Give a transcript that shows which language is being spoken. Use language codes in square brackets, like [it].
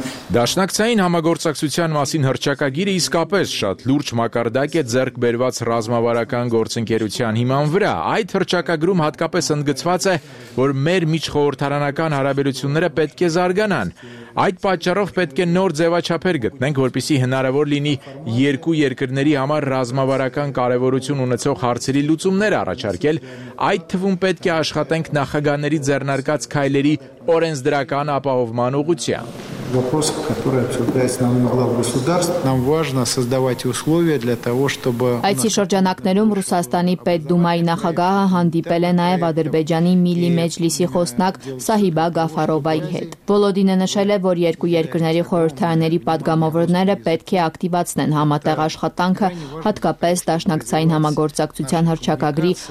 [hy] Դաշնակցային համագործակցության մասին հռչակագիրը իսկապես շատ լուրջ մակարդակ է ձեռք բերված ռազմավարական գործընկերության հիման վրա։ Այդ հռչակագրում հատկապես ընդգծված է, որ մեր միջխորհրդարանական հարաբերությունները պետք է զարգանան։ Այդ պատճառով պետք է նոր ձևաչափեր գտնենք, որպեսզի հնարավոր լինի երկու երկրների համար ռազմավարական կարևորություն ունեցող հարցերի լուծումներ առաջարկել, այդ թվում պետք է աշխատենք նախագահների ձեռնարկած քայլերի օրենսդրական ապահովման ուղղությամբ։ [ru] Вопрос, который обсуждается на уровне глав государств, нам важно создавать условия для того, чтобы [hy] Այս շրջանակներում Ռուսաստանի պետդումայի նախագահը հանդիպել է նաև Ադրբեջանի Միլի Մեջլիսի խոսնակ Սահիբա Գաֆարովայի հետ։ Վոլոդինը նշել է, որ երկու երկրների խորհրդարանների падգամավորները պետք է ակտիվացնեն համատեղ աշխատանքը, հատկապես դաշնակցային համագործակցության հռչակագրի